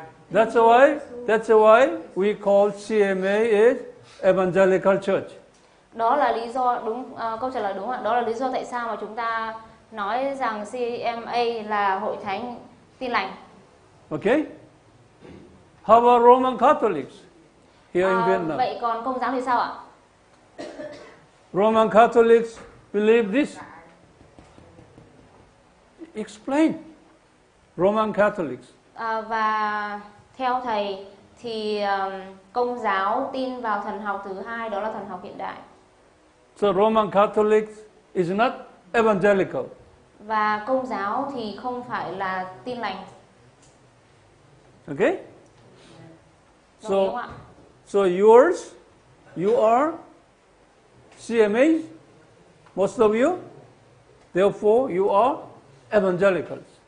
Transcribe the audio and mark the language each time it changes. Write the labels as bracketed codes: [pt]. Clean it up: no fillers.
[en] That's why we call CMA is evangelical church. [vi] Đó là lý do đúng câu trả lời đúng ạ. Đó là lý do tại sao mà chúng ta nói rằng CMA là hội thánh tin lành. [en] Okay. How about Roman Catholics here in Vietnam? [vi] Vậy còn Công giáo thì sao ạ? [en] Roman Catholics believe this. Explain. Roman Catholics. [vi] Và theo thầy thì Công giáo tin vào thần học thứ hai, đó là thần học hiện đại. [en] So Roman Catholics is not evangelical. [vi] Và Công giáo thì không phải là tin lành. [en] Okay? So yours, you are CMA, most of you, therefore you are evangelicals.